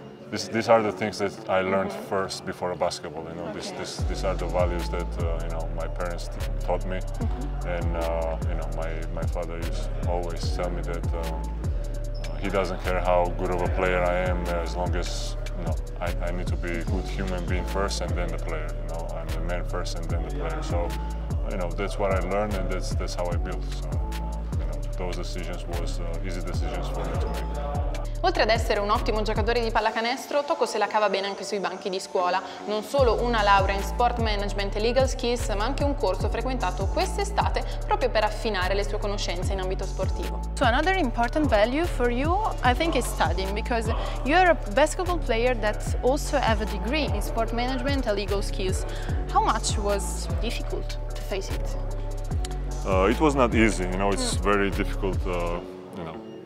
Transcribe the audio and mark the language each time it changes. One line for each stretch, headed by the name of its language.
English: These are the things that I learned first before basketball. You know, these are the values that you know, my parents taught me, and you know, my father used always tell me that he doesn't care how good of a player I am, as long as you know, I need to be a good human being first and then the player. You know, I'm the man first and then the player. So you know, that's what I learned, and that's how I built. So you know, those decisions was easy decisions for me to make.
Italian: Oltre ad essere un ottimo giocatore di pallacanestro, Tocco se la cava bene anche sui banchi di scuola. Non solo una laurea in Sport Management e Legal Skills, ma anche un corso frequentato quest'estate proprio per affinare le sue conoscenze in ambito sportivo.
English: So another important value for you, I think, is studying, because you're a basketball player that also have a degree in Sport Management and Legal Skills. How much was difficult to face it? It was not easy, you know, it's very difficult, you know.